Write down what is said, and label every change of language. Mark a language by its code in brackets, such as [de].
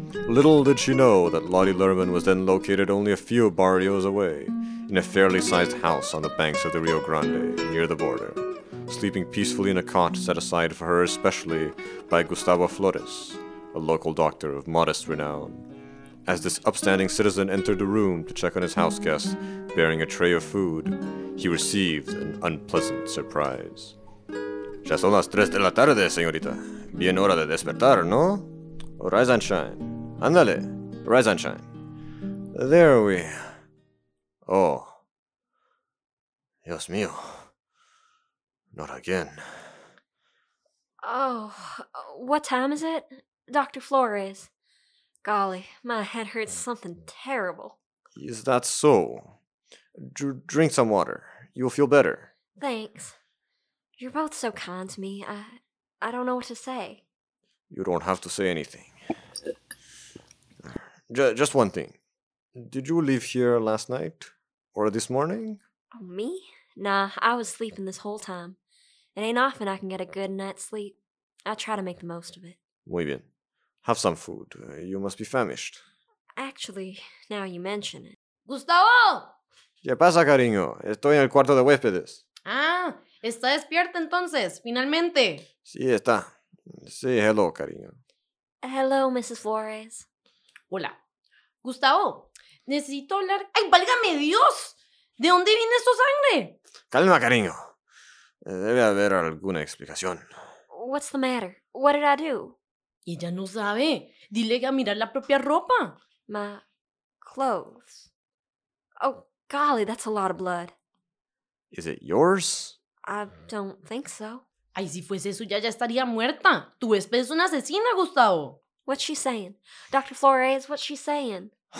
[en] Little did she know that Lottie Lerman was then located only a few barrios away, in a fairly sized house on the banks of the Rio Grande, near the border, sleeping peacefully in a cot set aside for her especially by Gustavo Flores, a local doctor of modest renown. As this upstanding citizen entered the room to check on his house guest, bearing a tray of food, he received an unpleasant surprise. [es] Ya son las tres de la tarde, señorita. Bien hora de despertar, ¿no? [en] Rise and shine. Andale. Rise and shine. There we... Oh. [es] Dios mío. [en] Not again. Oh, what time is it? Dr. Flores. Golly, my head hurts something terrible. Is that so? Drink some water. You'll feel better. Thanks. You're both so kind to me. I don't know what to say. You don't have to say anything. Just one thing. Did you leave here last night? Or this morning? Oh, me? Nah, I was sleeping this whole time. It ain't often I can get a good night's sleep. I try to make the most of it. [es] Muy bien. [en] Have some food. You must be famished. Actually, now you mention it. [es] ¡Gustavo! ¿Qué pasa, cariño? Estoy en el cuarto de huéspedes. Ah, está despierta entonces, finalmente. Sí, está. Sí, hello, cariño. [en] Hello, Mrs. Flores. [es] Hola. Gustavo, necesito hablar... ¡Ay, válgame Dios! ¿De dónde viene esta sangre? Calma, cariño. Debe haber alguna explicación. [en] What's the matter? What did I do? [es] Ella no sabe. Dile que a mirar la propia ropa. [en] My clothes. Oh, golly, that's a lot of blood. Is it yours? I don't think so. [es] Ay, si fuese suya, ya estaría muerta. Tu huésped es una asesina, Gustavo. [en] What's she saying? Dr. Flores, what's she saying?